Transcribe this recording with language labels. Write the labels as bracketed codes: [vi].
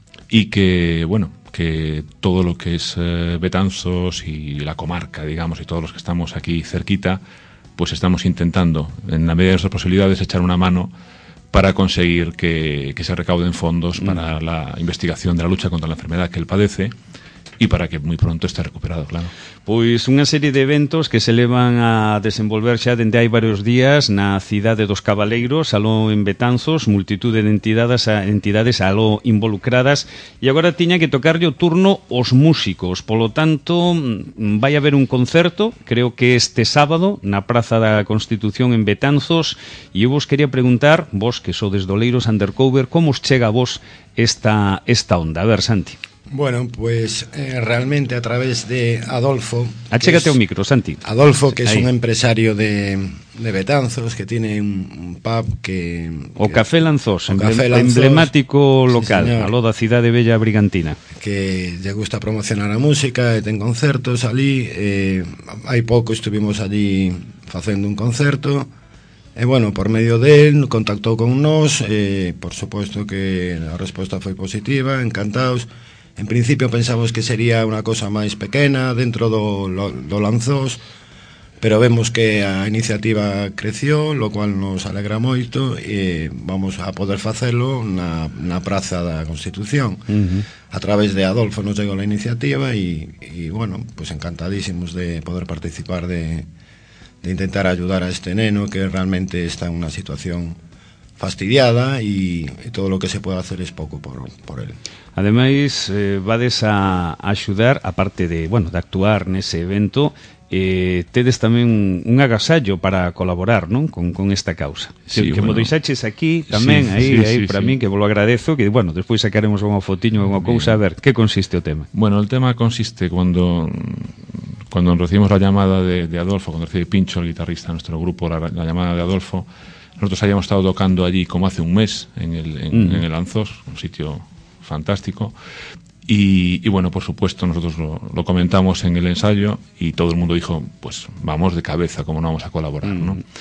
[es] Y que, bueno, que todo lo que es Betanzos y la comarca, digamos, y todos los que estamos aquí cerquita, pues estamos intentando, en la medida de nuestras posibilidades, echar una mano para conseguir que se recauden fondos para la investigación de la lucha contra la enfermedad que él padece. [gl] e para que moi pronto este recuperado, claro. Pois unha serie de eventos que se levan a desenvolver xa dende hai varios días na cidade dos Cabaleiros, aló en Betanzos, multitude de entidades aló involucradas, e agora tiña que tocarlle o turno os músicos. Polo tanto, vai haber un concerto, creo que este sábado, na Praza da Constitución en Betanzos, e eu vos quería preguntar, vos que sodes do Leiros Undercover, como os chega a vos esta onda? A ver, Santi. [es] Bueno, pues realmente a través de Adolfo. [gl] Achégate un micro, Santi. [es] Adolfo, que es ahí. Un empresario de Betanzos, que tiene un pub que. [gl] O Café Lanzós, emblemático local, sí, a lo da cidade bella Brigantina. Que lle gusta promocionar a música, ten concertos allí. Hai pouco estuvimos allí facendo un concerto. E bueno, por medio de él, contactou con nós. Por supuesto que a resposta foi positiva, encantados. En principio pensamos que sería unha cosa máis pequena dentro do Lanzós, pero vemos que a iniciativa creció, [es] lo cual nos alegra [gl] moito, e vamos a poder facelo na Praza da Constitución. Uh-huh. A través de Adolfo nos chegou a iniciativa e bueno, pues encantadísimos de poder participar de intentar ayudar a este neno que realmente está en unha situación fastidiada e todo o que se pode hacer é pouco por él. Ademais, vades a axudar, aparte de, bueno, de actuar nese evento, tedes tamén un agasallo para colaborar, non? Con esta causa. Sí, que bueno, me deixaches aquí tamén, aí, para min, que vos lo agradezo, que, bueno, despois sacaremos unha fotiño, unha cousa, a ver, que consiste o tema. [es] Bueno, o tema consiste cuando recibimos la llamada de Adolfo, cuando recibe Pincho, el guitarrista de nuestro grupo, la llamada de Adolfo. Nosotros habíamos estado tocando allí como hace un mes, en el Lanzós, un sitio fantástico. Y bueno, por supuesto, nosotros lo comentamos en el ensayo y todo el mundo dijo, pues vamos de cabeza, cómo no vamos a colaborar, ¿no?